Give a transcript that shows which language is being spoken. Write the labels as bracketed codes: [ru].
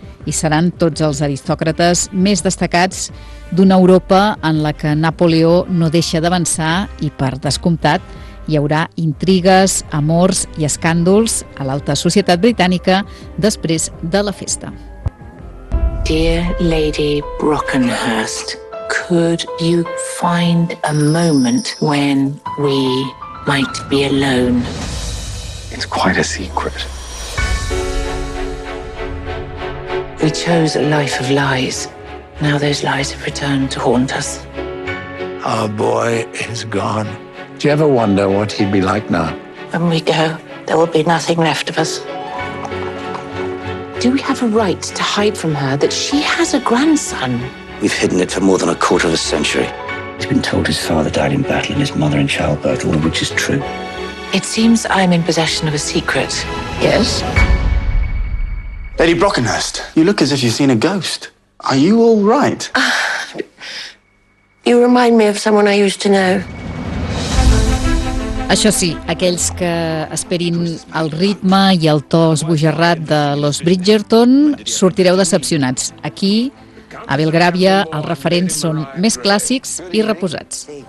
[ca] I seran tots els aristòcrates més destacats d'una Europa en la que Napoleó no deixa d'avançar i, per descomptat, hi haurà intrigues, amors i escàndols a l'alta societat britànica després de la festa. [en] Dear Lady Brockenhurst, could you find a moment when we might be alone? It's quite a secret. We chose a life of lies. Now those lies have returned to haunt us. Our boy is gone. Do you ever wonder what he'd be like now? When we go, there will be nothing left of us. Do we have a right to hide from her that she has a grandson? We've hidden it for more than a quarter of a century. He's been told his father died in battle and his mother in childbirth, all of which is true. It seems I'm in possession of a secret. Yes? Lady Brockenhurst, you look as if you've seen a ghost. Are you all right? You remind me of someone I used to know. [ca] Això sí, aquells que esperin el ritme i el to esbojarrat de Los Bridgerton sortireu decepcionats. Aquí, a Belgravia, els referents són més clàssics i reposats.